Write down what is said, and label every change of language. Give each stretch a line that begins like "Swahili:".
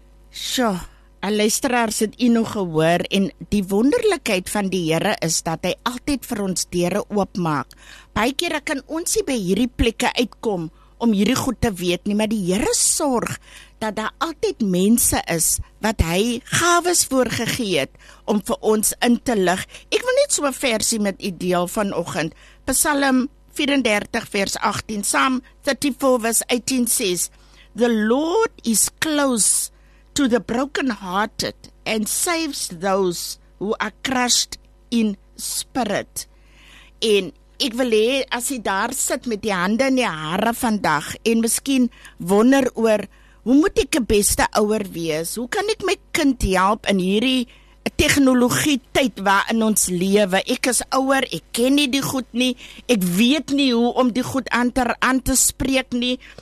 Afrikaans: So, al luisteraars het u nog gehoor en die wonderlikheid van die Here is dat hy altyd vir ons deure oopmaak. Baie kere kan ons nie by hierdie plekke uitkom om hierdie goed te weet nie, maar die Here sorg dat daar altyd mense is wat hy gawes voorgegee het om vir ons in te lig. Ek wil net so 'n versie met u deel vanoggend. Psalm 34 vers 18, Psalm 34 vers 18 sê:
English: "The Lord is close to the brokenhearted and saves those who are crushed in spirit."
Afrikaans: En ek wil hê as jy daar sit met die hande in die hare vandag en miskien wonder oor hoe moet ek 'n beste ouer wees? Hoe kan ek my kind help in hierdie tegnologie tyd waarin ons lewe? Ek is ouer, ek ken nie die goed nie. Ek weet nie hoe om die goed aan te spreek nie.